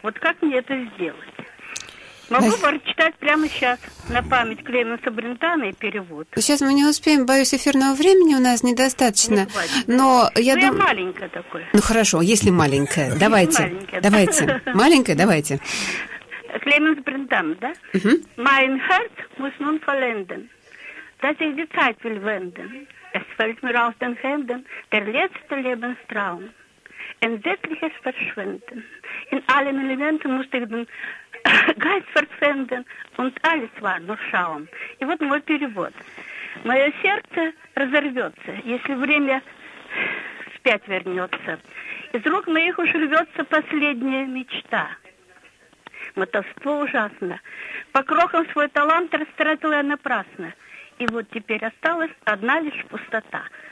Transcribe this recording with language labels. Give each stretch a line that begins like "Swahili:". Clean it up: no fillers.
Russian: Вот как мне это сделать? Могу прочитать прямо сейчас на память Клеменса Брентана и перевод. Сейчас мы не успеем, боюсь, эфирного времени у нас недостаточно. Не хватит. Но я думаю... я маленькая такой. Ну хорошо, если маленькая, давайте. Маленькая. Давайте. Маленькая, давайте. Клеменс Брентан, да? Uh-huh.
German: Mein Herz muss nun vollenden, dass ich die Zeit will wenden. Es fällt mir aus den Händen der letzte Lebenstraum. Entsetzliches Verschwinden. In allen Elementen musste ich den Geist verpfänden. Und alles war nur Schaum.
Russian: И вот мой перевод. Мое сердце разорвется, если время вспять вернется. Из рук моих уж рвется последняя мечта. Мотовство ужасно. По крохам свой талант растратила я напрасно. И вот теперь осталась одна лишь пустота.